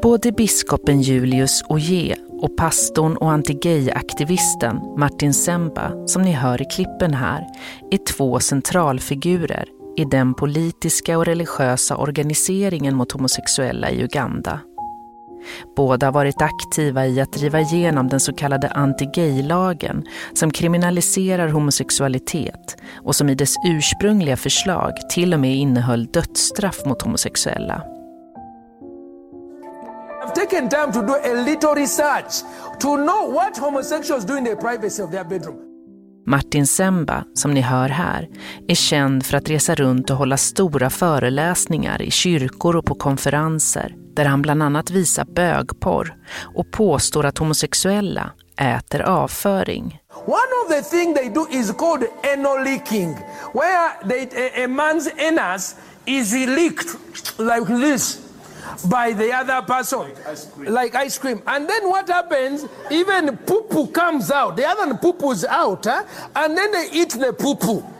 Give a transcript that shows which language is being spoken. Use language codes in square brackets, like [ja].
[sv] Både biskopen Julius Oyee och pastorn och anti-gay-aktivisten Martin Semba, som ni hör i klippen här, är två centralfigurer i den politiska och religiösa organiseringen mot homosexuella i Uganda. Båda har varit aktiva i att driva igenom den så kallade anti-gay-lagen som kriminaliserar homosexualitet och som i dess ursprungliga förslag till och med innehöll dödsstraff mot homosexuella. [en] Taken time to do a little research to know what homosexuals do in the privacy of their bedroom. [sv] Martin Semba, som ni hör här, är känd för att resa runt och hålla stora föreläsningar i kyrkor och på konferenser där han bland annat visar bögporr och påstår att homosexuella äter avföring. [en] One of the things they do is called anal leaking, where a man's anus is leaked like this by the other person, like ice cream. And then what happens, even poo-poo comes out, the other poo-poo's out, and then they eat the poo-poo.